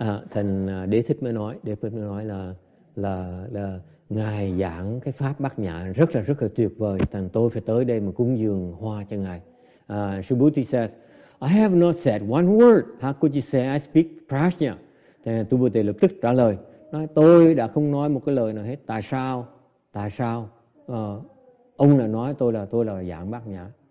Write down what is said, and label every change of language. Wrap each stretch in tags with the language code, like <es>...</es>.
<vi>Thành Đế Thích mới nói là ngài giảng cái pháp Bát Nhã rất là tuyệt vời. Thành tôi phải tới đây mà cúng dường hoa cho ngài.</vi> <en>Subhuti says, I have not said one word. How could you say I speak prajna?</en> <vi>Thành Tu Bồ Đề lập tức trả lời, nói tôi đã không nói một cái lời nào hết. Tại sao? Ông là nói tôi là giảng Bát Nhã.</vi>